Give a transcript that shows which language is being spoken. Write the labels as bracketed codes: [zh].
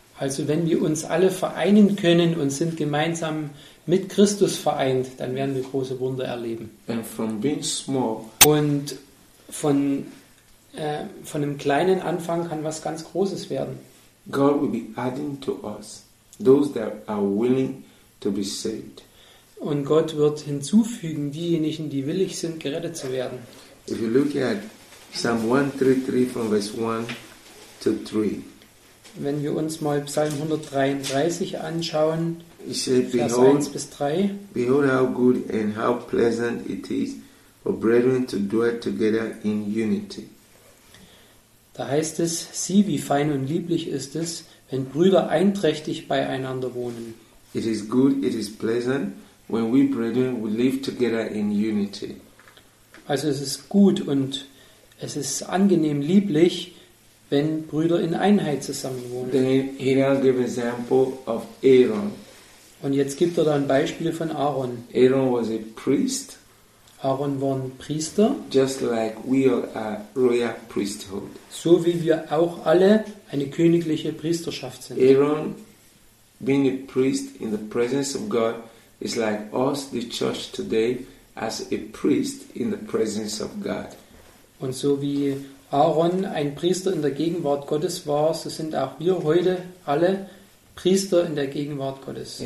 [de] Also wenn wir uns alle vereinen können und sind gemeinsam mit Christus vereint, dann werden wir große Wunder erleben. [en] And from being small, [de] und von einem kleinen Anfang kann was ganz Großes werden. [en] God will be adding to us those that are willing to be saved. [de] Und Gott wird hinzufügen diejenigen, die willig sind, gerettet zu werden. [en] If you look at Psalm 133 from verse 1-3. [de] Wenn wir uns mal Psalm 133 anschauen, [en] it says, [de] Vers 1-3. [en] Behold how good and how pleasant it is for brethren to dwell together in unity. [de] Da heißt es, sieh, wie fein und lieblich ist es, wenn Brüder einträchtig beieinander wohnen. [en] It is good, it is pleasant, when we brethren we live together in unity. [de] Also es ist gut und es ist angenehm, lieblich, wenn Brüder in Einheit zusammen wohnen. Und jetzt gibt er da ein Beispiel von Aaron. [en] Aaron was a priest. [de] Aaron war ein Priester. [en] Just like we are a royal priesthood. [de] So wie wir auch alle eine königliche Priesterschaft sind. [en] Aaron being a priest in the presence of God is like us, the church today, as a priest in the presence of God. [de] Und so wie Aaron ein Priester in der Gegenwart Gottes war, so sind auch wir heute alle Priester in der Gegenwart Gottes.